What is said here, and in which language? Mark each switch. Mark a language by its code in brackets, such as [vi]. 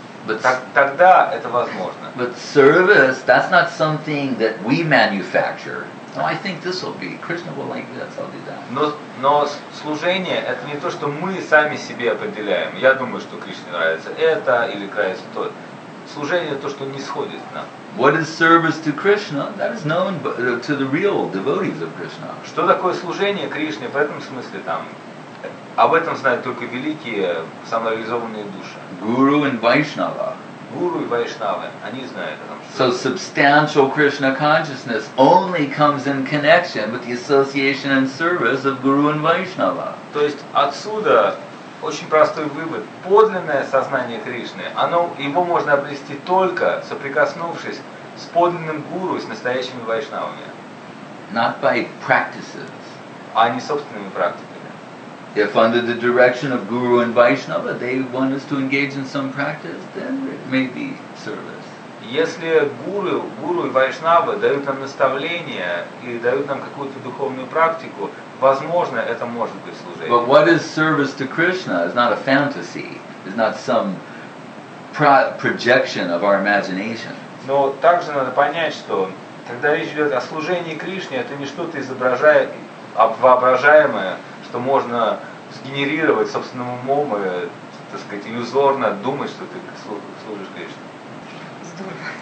[en] But [ru] тогда это возможно. [en] But service, that's not something that we manufacture. No, I think this will be. Krishna will like this. I'll do that. [ru] Но служение это не то, что мы сами себе определяем. Я думаю, что Кришне нравится это или нравится то. Служение то, что не сходит нам. [en] What is service to Krishna? That is known to the real devotees of Krishna. [ru] Что такое служение Кришне в этом смысле там? Об этом знают только великие самореализованные души. [en] Guru and Vaishnava. [ru] Guru и Vaishnava, они знают о том, что... [en] So substantial Krishna consciousness only comes in connection with the association and service of Guru and Vaishnava. [ru] То есть отсюда очень простой вывод. Подлинное сознание Кришны, оно, его можно обрести только соприкоснувшись с подлинным Гуру, с настоящими Вайшнавами. [en] Not by practices. [ru] А не собственными практиками. [en] If under the direction of Guru and Vaishnava they want us to engage in some practice, then it may be service. [ru] Если гуру и Вайшнава дают нам наставление и дают нам какую-то духовную практику, возможно, это может быть служение. [en] But what is service to Krishna is not a fantasy, is not some projection of our imagination. [ru] Но также надо понять, что когда речь идет о служении Кришне, это не что-то воображаемое, что можно сгенерировать собственным умом и, так сказать, иллюзорно думать, что ты служишь Кришне.